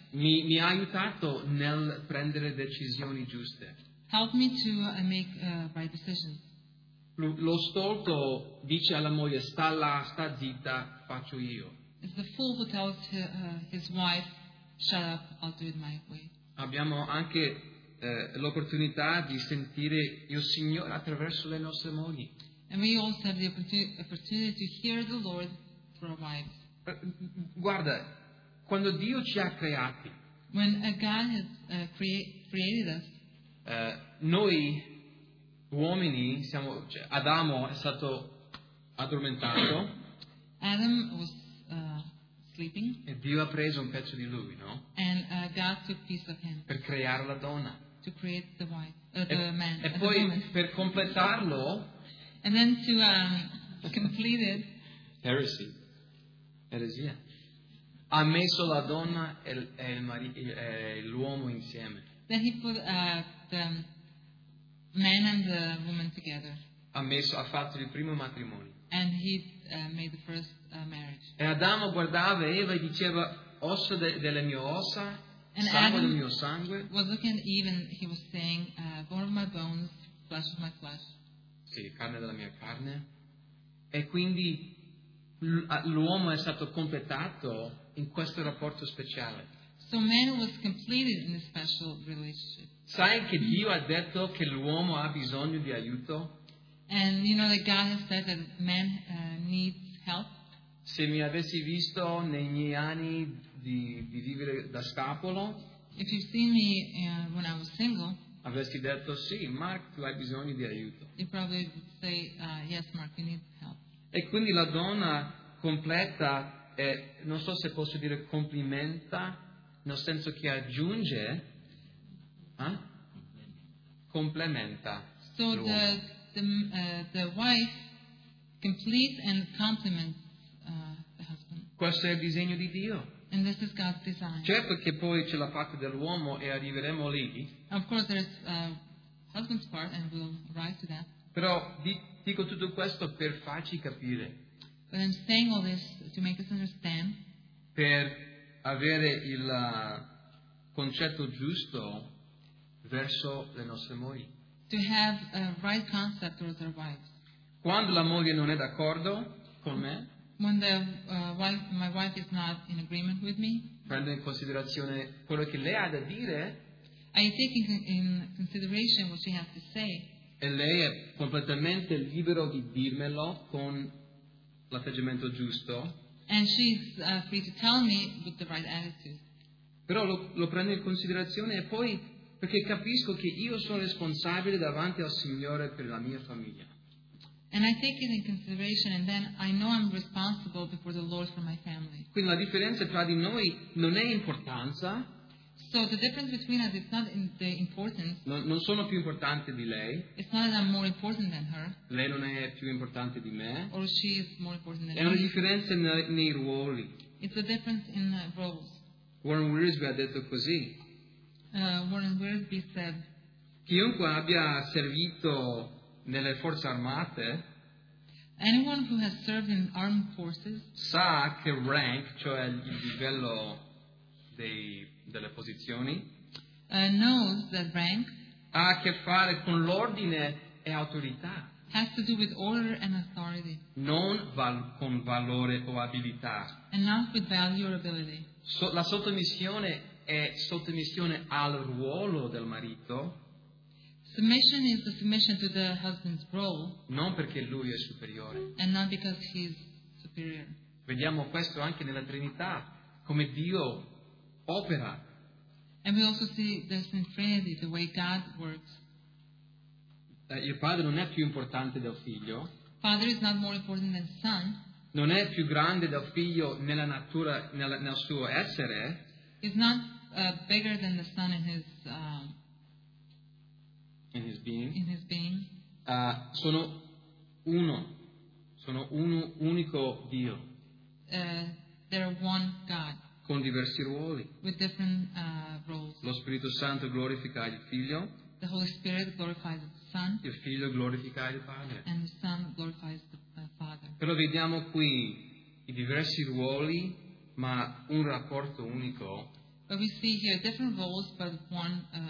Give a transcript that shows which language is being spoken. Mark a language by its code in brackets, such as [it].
[it] mi ha aiutato nel prendere decisioni giuste. [en] Help me to make right decisions. [it] Lo stolto dice alla moglie: sta là, sta zitta, faccio io. [en] It's the fool who tells his wife, shut up, I'll do it my way. [it] Abbiamo anche l'opportunità di sentire il Signore attraverso le nostre mogli. [en] And we also have the opportunity to hear the Lord through our wives. [it] Guarda, quando Dio ci ha creati, [en] when God has created us, [it] noi uomini siamo, cioè Adamo è stato addormentato. [en] Adam was sleeping. [it] E Dio ha preso un pezzo di lui, no? [en] And God took a piece of him. [it] Per creare la donna. [en] To create the wife, the man. [it] E poi [en] the [it] per completarlo. [en] And then to complete it. Heresy. [it] Eresia. Ha messo la donna e l'uomo insieme. [en] Then he put the man and the woman together. [it] Ha fatto il primo matrimonio. [en] And he made the first marriage. [it] E Adamo guardava Eva e diceva: osso delle mie ossa, sangue del mio sangue. [en] Was looking at Eve and he was saying, bone of my bones, flesh of my flesh. [it] Sì, carne della mia carne. E quindi l'uomo è stato completato in questo rapporto speciale. [en] So man was completed in a special relationship. [it] Sai che Dio ha detto che l'uomo ha bisogno di aiuto? [en] And you know that God has said that man needs help? [it] Se mi avessi visto nei miei anni di vivere da scapolo, [en] if you see me when I was single, [it] avresti detto sì, Mark, tu hai bisogno di aiuto. [en] You probably say yes, Mark, you need help. [it] E quindi la donna completa è, non so se posso dire complimenta, nel senso che aggiunge, complementa. [en] So the wife completes and complements the husband. [it] Questo è il disegno di Dio. [en] And this is God's design. [it] Certo che poi c'è la parte dell'uomo e arriveremo lì. [en] Of course there's husband's part and we'll arrive to that. [it] Però dico tutto questo per farci capire. [en] But I'm saying all this to make us understand. [it] Per avere il concetto giusto verso le nostre mogli. [en] To have a right concept towards our wives. [it] Quando la moglie non è d'accordo con me, [en] when the my wife is not in agreement with me, [it] prendo in considerazione quello che lei ha da dire. [en] I take in consideration what she has to say. [it] E lei è completamente libero di dirmelo con l'atteggiamento giusto. [en] And she's free to tell me with the right attitude. [it] Però lo prendo in considerazione e poi perché capisco che io sono responsabile davanti al Signore per la mia famiglia. [en] And I take it in consideration and then I know I'm responsible before the Lord for my family. [it] Quindi la differenza tra di noi non è importanza. [en] So the difference between us is not in the importance. [it] Non sono più importante di lei. [en] It's not that I'm more important than her. [it] Lei non è più importante di me. [en] Or she is more important than me. [it] È una differenza nei ruoli. [en] It's a difference in roles. [it] Warren Wiersbe ha detto così. [en] Warren Wiersbe said, [it] chiunque abbia servito nelle forze armate, [en] anyone who has served in armed forces, [it] sa che rank, cioè il livello delle posizioni, [en] knows that rank [it] ha a che fare con l'ordine e autorità, [en] has to do with order and authority, [it] non con valore o abilità, [en] and not with value or ability. [it] La sottomissione è sottomissione al ruolo del marito. [en] Submission is the submission to the husband's role. [it] Non perché lui è superiore. [en] And not because he's superior. [it] Vediamo questo anche nella Trinità, come Dio opera. [en] And we also see this in Trinity, the way God works. [it] Il padre non è più importante del figlio. [en] Father is not more important than son. [it] Non è più grande del figlio nella natura, nel suo essere. [en] He's not bigger than the son in his In his being. [it] Sono uno unico Dio. [en] They're one God. [it] Con diversi ruoli. [en] With different roles. [it] Lo Spirito Santo glorifica il Figlio. [en] The Holy Spirit glorifies the Son. [it] Il Figlio glorifica il Padre. [en] And the Son glorifies the Father. [it] Però vediamo qui i diversi ruoli, ma un rapporto unico. [en] But we see here different roles, but one.